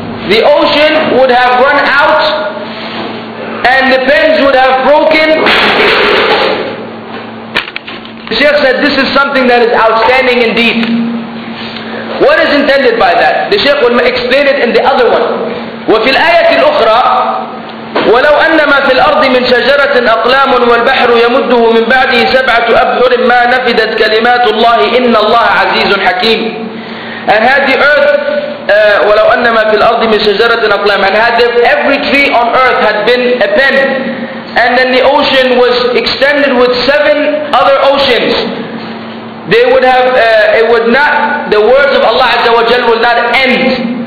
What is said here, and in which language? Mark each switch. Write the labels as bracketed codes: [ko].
[en] the ocean would have run out and the pens would have broken. The Shaykh said this is something that is outstanding indeed. What is intended by that? The Shaykh will explain it in the other one. [ar] وفي الآية الأخرى ولو أن ما في الأرض من شجرة أقلام والبحر يمده من بعده سبعة أبحر ما نفدت كلمات الله إن الله عزيز حكيم. [en] And had the earth [ar] ولو أن ما في الأرض من شجرة أقلام, [en] and had every tree on earth had been a pen, and then the ocean was extended with seven other oceans, they would have it would not, the words of Allah Azza wa Jalla would not end.